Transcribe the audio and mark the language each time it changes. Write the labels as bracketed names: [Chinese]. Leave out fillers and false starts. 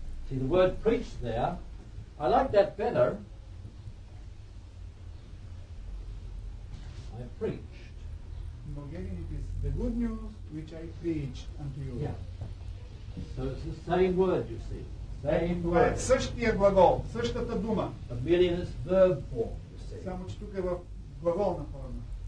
[English] See the word preached there. I like that better. I preached. In Bulgarian it is the good news which I preached unto you. Yeah. So it's the same word, you see. Same [Bulgarian] това [English] word. [Bulgarian] Е същия глагол, същата дума. [English] A million is verb form, you see. [Bulgarian] Само че тук е в глаголна форма.